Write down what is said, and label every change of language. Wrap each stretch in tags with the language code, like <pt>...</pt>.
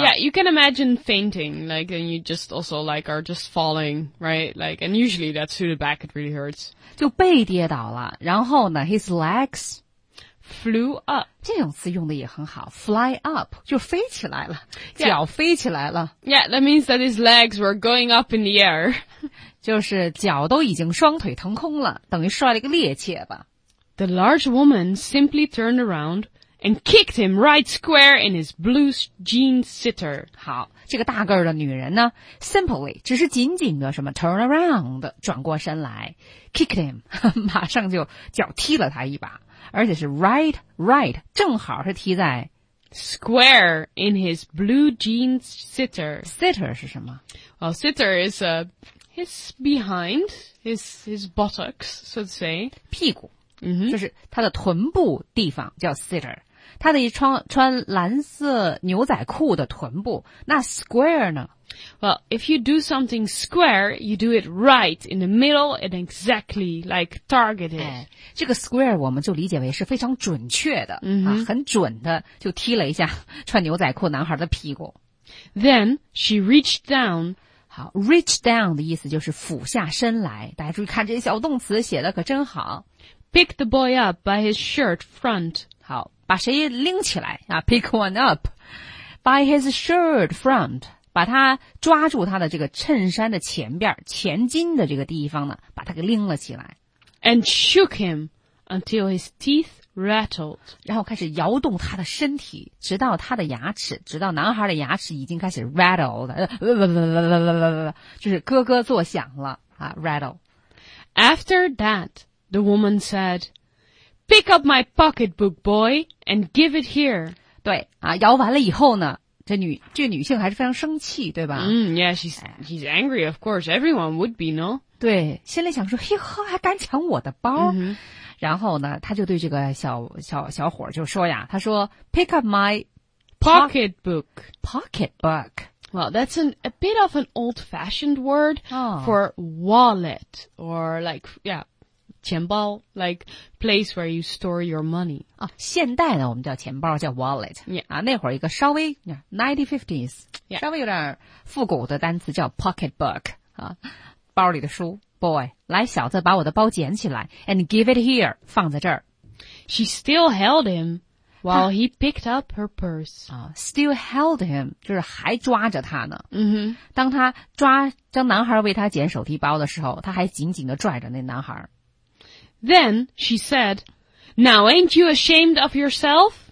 <en>Yeah, you can imagine fainting, like, and you just also, like, are just falling, right? Like, and usually that's to the back, it really hurts.</en> <zh>就背跌倒了然后呢</zh> <en>his legs flew up.</en> <zh>这种词用的也很好</zh> <en>fly up,</en> <zh>就飞起来了、yeah. 脚飞起来了</zh> <en>Yeah, that means that his legs were going up in the air.</en> <zh>就是脚都已经双腿腾空了等于摔了一个趔趄吧</zh> <en>The large woman simply turned around and kicked him right square in his blue jean sitter.</en> <zh>好这个大个儿的女人呢 simply, 只是紧紧的什么</zh> <en>turn around,</en> <zh>转过身来</zh> <en>kicked him,</en> <zh>马上就脚踢了他一把而且是 right, 正好是踢在</zh> <en>square in his blue jean sitter.</en> <zh>Sitter 是什么</zh> <en>Well, sitter is a... It's behind his buttocks, so to say.</en> <zh>屁股、mm-hmm. 就是他的臀部地方叫 sitter. 他的穿蓝色牛仔裤的臀部。那 square 呢?</zh> <en>Well, if you do something square, you do it right in the middle and exactly like targeted.、</en> <zh>哎、这个 square 我们就理解为是非常准确的、 mm-hmm. 啊、很准的就踢了一下穿牛仔裤男孩的屁股。</zh> <en>Then she reached down,</en> <zh>好 reach down 的意思就是俯下身来大家注意看这些小动词写的可真好</zh> <en>pick the boy up by his shirt front</en> <zh>好把谁拎起来啊</zh> <en>pick one up by his shirt front</en> <zh>把他抓住他的这个衬衫的前边前襟的这个地方呢把他给拎了起来</zh> <en>and shook him until his teeth rattled</en> <zh>然后开始摇动他的身体直到他的牙齿直到男孩的牙齿已经开始 rattled、就是咯咯作响了、啊、rattle</zh> <en>After that the woman said Pick up my pocketbook boy and give it here</en> <zh>对、啊、摇完了以后呢这女性还是非常生气对吧、</zh> <en>Yeah, she's angry of course Everyone would be, no?</en> <zh>对心里想说嘿呵还敢抢我的包、 mm-hmm. 然后呢他就对这个小伙就说呀他说</zh> <en>Pick up my pocketbook Pocketbook Well, that's a bit of an old-fashioned word for wallet or like, yeah,</en> <zh>钱包,</zh> <en>like place where you store your money.</en> <zh>啊，现代呢，我们叫钱包，叫 wallet.</zh> <en>Yeah.</en> <zh>啊，那会儿一个稍微 1950s, 稍微有点复古的单词叫 pocketbook, 啊，包里的书。 Boy, 来小子把我的包捡起来</zh> <en>and give it here,</en> <zh>放在这儿。</zh> <en>She still held him while he picked up her purse. Still held him,</en> <zh>就是还抓着他呢。 Mm-hmm. 当他抓将男孩为他捡手提包的时候他还紧紧地拽着那男孩。</zh> <en>Then she said, now ain't you ashamed of yourself?</en>